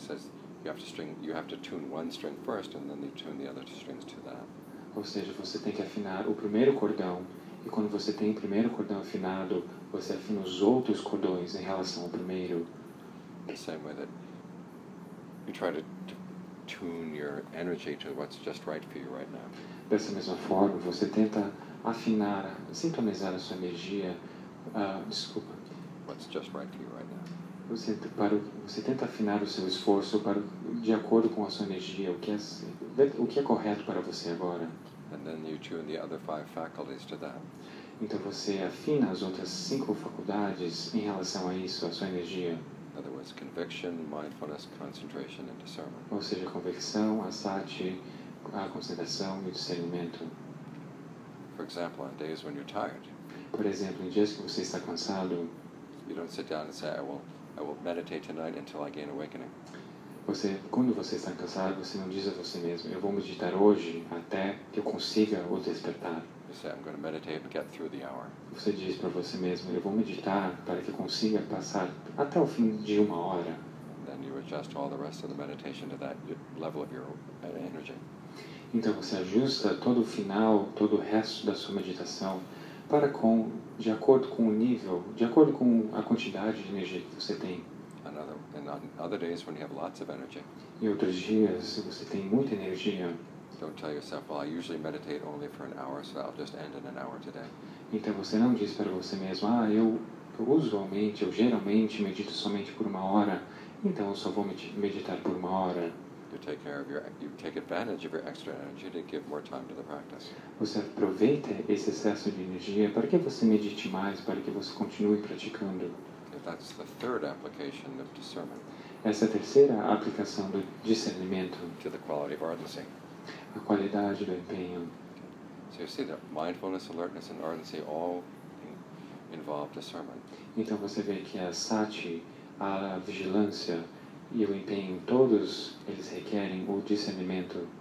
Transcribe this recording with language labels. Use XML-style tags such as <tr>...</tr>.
<en>Buda says, you have to tune one string first, and then you tune the other strings to that.</en> <pt>Ou seja, você tem que afinar o primeiro cordão, e quando você tem o primeiro cordão afinado, você afina os outros cordões em relação ao primeiro.</pt> <en>The same way that you try to tune your energy to what's just right for you right now.</en> <pt>Dessa mesma forma, você tenta afinar, sintonizar a sua energia. Desculpa.</pt> <en>What's just right for you right now?</en> <pt>Você tenta afinar o seu esforço para de acordo com a sua energia, o que é correto para você agora.</pt> <en>And then you tune the other five faculties to that.</en> <pt>Então você afina as outras cinco faculdades em relação a isso, a sua energia.</pt> <en>In other words, conviction, mindfulness, concentration, and discernment.</en> <pt>Ou seja, convicção, asati, a concentração e o discernimento.</pt> <en>For example, on days when you're tired.</en> <pt>Por exemplo, em dias que você está cansado.</pt> <en>You don't sit down and say, I will meditate tonight until I gain awakening.</en> <pt>Quando você está cansado, você não diz a você mesmo, eu vou meditar hoje até que eu consiga o despertar.</pt> <en>I'm going to meditate and get through the hour.</en> <pt>Você diz para você mesmo, eu vou meditar para que consiga passar até o fim de uma hora.</pt> <en>Then you adjust all the rest of the meditation to that level of your energy.</en> <pt>Então você ajusta todo o final, todo o resto da sua meditação para com de acordo com o nível, de acordo com a quantidade de energia que você tem.</pt> <en>And on other days when you have lots of energy.</en> <pt>E outros dias você tem muita energia.</pt> <en>Don't tell yourself, well, I usually meditate only for an hour, so I'll just end in an hour today.</en> <pt>Então você não diz para você mesmo, eu geralmente medito somente por uma hora, então eu só vou meditar por uma hora.</pt> <en>You take advantage of your extra energy to give more time to the practice.</en> <pt>Você aproveita esse excesso de energia para que você medite mais, para que você continue praticando.</pt> <en>Okay, that's the third application of discernment.</en> <pt>Essa é a terceira aplicação do discernimento.</pt> <en>To the quality of ardency.</en> <pt>A qualidade do empenho.</pt> <en>So you see that mindfulness, alertness, and ardency all involve discernment.</en> <pt>Então você vê que a sati, a vigilância e o empenho, todos eles requerem o discernimento.</pt>